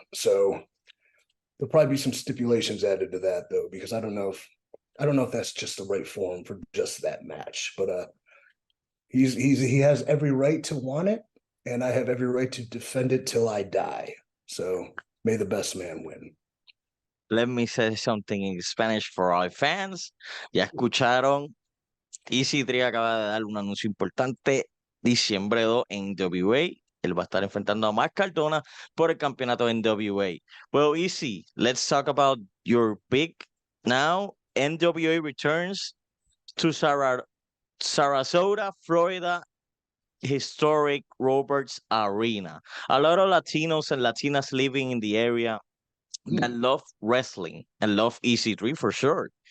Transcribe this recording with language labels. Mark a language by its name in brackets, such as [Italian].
[English] So there'll probably be some stipulations added to that, though, because I don't know if that's just the right form for just that match. But he has every right to want it, and I have every right to defend it till I die. So may the best man win. Let me say something in Spanish for our fans. [Spanish] Ya escucharon. Easy 3 acaba de dar un anuncio importante. Diciembre 2 en WWE. Él va a estar enfrentando a Matt Cardona por el campeonato NWA. [English] Well, Easy, let's talk about your pick now. NWA returns to Sarasota, Florida, historic Roberts Arena. A lot of Latinos and Latinas living in the area that love wrestling and love EC3 for sure.